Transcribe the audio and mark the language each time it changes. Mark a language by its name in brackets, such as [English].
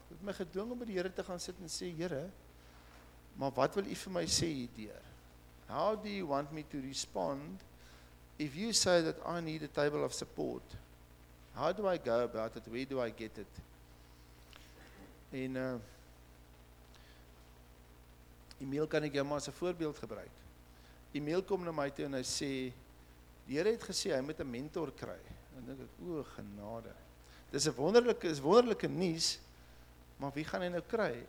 [Afrikaans] Dit het my gedwing om by die Here te gaan sit en sê, Here, maar wat wil U vir my sê hierdeur? [English] How do you want me to respond if you say that I need a table of support? How do I go about it? Where do I get it? [Afrikaans] En e-mail kan ek jou maar as 'n voorbeeld gebruik. E-mail kom na my toe en hy sê, die Here het gesê, hy moet 'n mentor kry. En dan denk ek, o, genade. Dis wonderlike nuus, maar wie gaan hy nou kry?